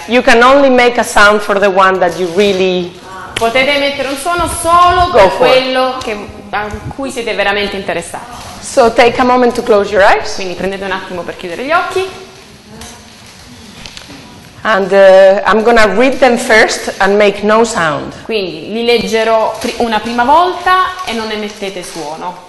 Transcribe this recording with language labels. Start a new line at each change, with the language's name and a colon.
English: You can only make a sound for the one that you really.
Italian: Potete mettere un suono solo per quello che, a cui siete veramente interessati.
English: So take a moment to close your eyes.
Italian: Quindi prendete un attimo per chiudere gli occhi.
English: And I'm gonna read them first and make no sound.
Italian: Quindi li leggerò una prima volta e non emettete suono.